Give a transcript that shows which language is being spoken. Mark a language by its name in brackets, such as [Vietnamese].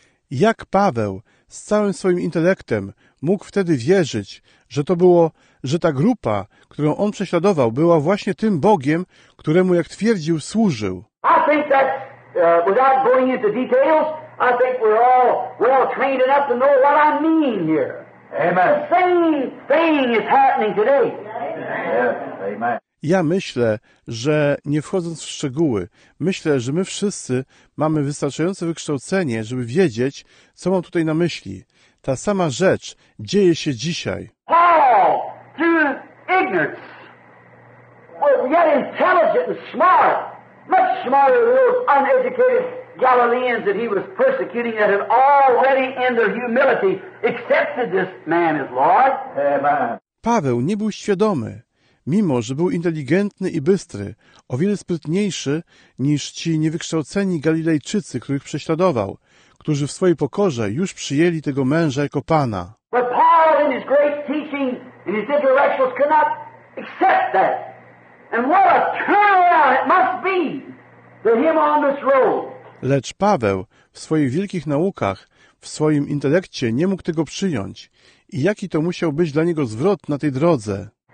[Polish] Jak Paweł z całym swoim intelektem mógł wtedy wierzyć, że to było, że ta grupa, którą on prześladował, była właśnie tym Bogiem, któremu, jak twierdził, służył? [English] I think that, without going into details, I think we're all well trained enough to know what I mean here. Amen. The same thing is happening today. [Polish] Ja myślę, że nie wchodząc w szczegóły, myślę, że my wszyscy mamy wystarczające wykształcenie, żeby wiedzieć, co mam tutaj na myśli. Ta sama rzecz dzieje się dzisiaj. [English] Paul, through ignorance, yet intelligent and smart, much smarter than those uneducated Galileans that he was persecuting that had already in their humility accepted this man as Lord. Amen. [Polish] Paweł nie był świadomy, mimo że był inteligentny i bystry, o wiele sprytniejszy niż ci niewykształceni Galilejczycy, których prześladował, którzy w swojej pokorze już przyjęli tego męża jako Pana. [English] But Paul in his great teaching and his intellectuals could not accept that. And what a turnaround it must be to him on this road. [Polish] Lecz Paweł w swoich wielkich naukach, w swoim intelekcie nie mógł tego przyjąć. I jaki to musiał być dla niego zwrot na tej drodze?